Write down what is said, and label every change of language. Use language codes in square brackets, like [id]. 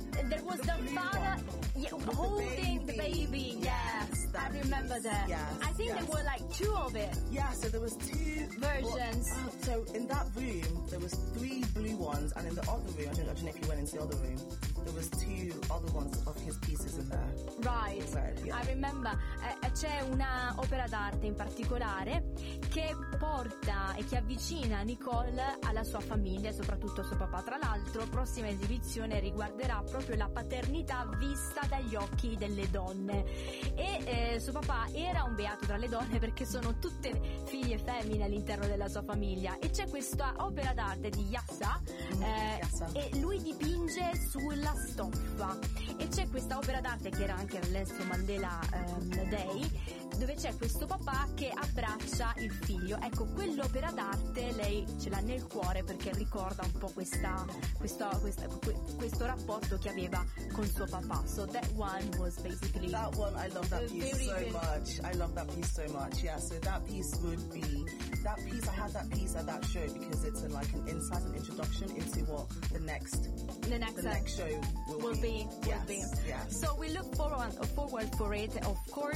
[en] And there was the father holding the baby. Yes. I remember them. Yes. I think there were like two of it. Yeah, so there was two versions. So in that room, there was three blue ones, and in the other room, I don't know if you went into the other room, there was two other ones of his pieces in there. Right. Yeah. I remember. [it] C'è una opera d'arte in particolare che porta e che avvicina Nicole alla sua famiglia, soprattutto a suo papà. Tra l'altro, prossima esibizione riguarderà proprio la paternità vista dagli occhi delle donne. E suo papà era un beato tra le donne perché sono tutte figlie femmine all'interno della sua famiglia. E c'è questa opera d'arte di Yassa, e lui dipinge sulla stoffa. E c'è questa opera d'arte che era anche Nelson Mandela Day, dove c'è questo papà che abbraccia il figlio. Ecco, quell'opera d'arte lei ce l'ha nel cuore perché ricorda un po' questo rapporto che aveva con suo papà. [en] So that one was basically that one. I love that piece so much. I love that piece so much. Yeah, so that piece would be that piece. I had that piece at that show because it's a, like an insight, an introduction into what the next show will be. So we look forward for it, of course.